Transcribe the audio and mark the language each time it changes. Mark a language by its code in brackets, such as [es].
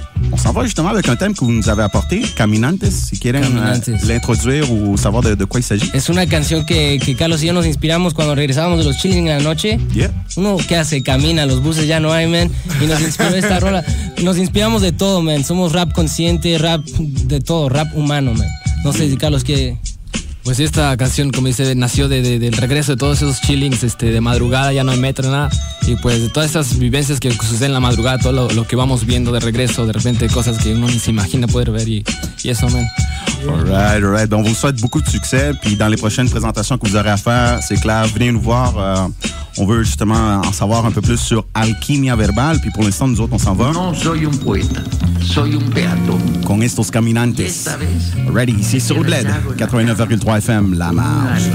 [fr] On s'en va justement avec un thème que vous nous avez apporté, Caminantes, [es] si quieren [fr] l'introduire ou savoir de quoi il s'agit. [es] Es una canción que Carlos y yo nos inspiramos cuando regresábamos de los chiles en la noche. [en] Yeah. [es] Uno, ¿qué hace? Camina, los buses ya no hay, man. Y nos inspiró esta rola. Nos inspiramos de todo, man. Somos rap consciente, rap de todo, rap humano, man. No sé si Carlos quiere... Pues esta canción, como dice, nació del regreso de todos esos chillings, de madrugada, ya no hay metro, nada. Y pues de todas esas vivencias que suceden en la madrugada, todo lo que vamos viendo de regreso, de repente cosas que uno ni se imagina poder ver y eso, man. [en] All right. [fr] Donc, vous souhaite beaucoup de succès. Puis dans les prochaines présentations que vous aurez à faire, c'est clair, venez nous voir. On veut justement en savoir un peu plus sur Alquimia Verbal. Puis pour l'instant, nous autres, on s'en va. [es] Non, soy un poeta. Soy un beato. Con estos caminantes. [fr] Ready, ici sur le bled. 89,3 FM, la marge.